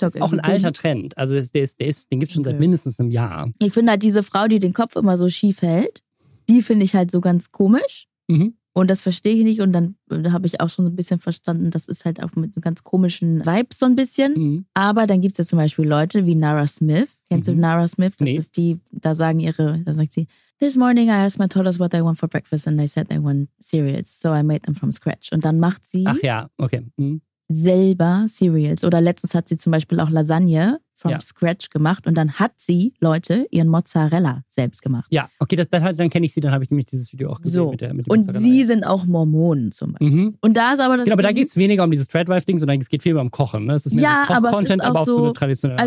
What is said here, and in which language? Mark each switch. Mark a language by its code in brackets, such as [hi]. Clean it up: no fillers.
[de] Das ist auch ein alter Trend, also den gibt es schon seit mindestens einem Jahr. Ich finde halt diese Frau, die den Kopf immer so schief hält, die finde ich halt so ganz komisch. Mhm. Und das verstehe ich nicht. Und dann habe ich auch schon so ein bisschen verstanden, das ist halt auch mit einem ganz komischen Vibe so ein bisschen. Mhm. Aber dann gibt es ja zum Beispiel Leute wie Nara Smith. Kennst du Nara Smith? Das ist die, da sagt sie, [en] "This morning I asked my toddlers what they want for breakfast and they said they want cereals, so I made them from scratch." [de] Und dann macht sie selber Cereals. Oder letztens hat sie zum Beispiel auch Lasagne [en] from scratch [de] gemacht und dann hat sie, Leute, ihren Mozzarella selbst gemacht. Ja, okay, dann kenne ich sie, dann habe ich nämlich dieses Video auch gesehen mit der Mozzarella. Und sie sind auch Mormonen zum Beispiel. Mhm. Und da ist aber das Aber da geht es weniger um dieses Threadwife-Ding, sondern es geht viel mehr um Kochen. Ne? Es ist mehr Koch-Content, aber auch so eine traditionelle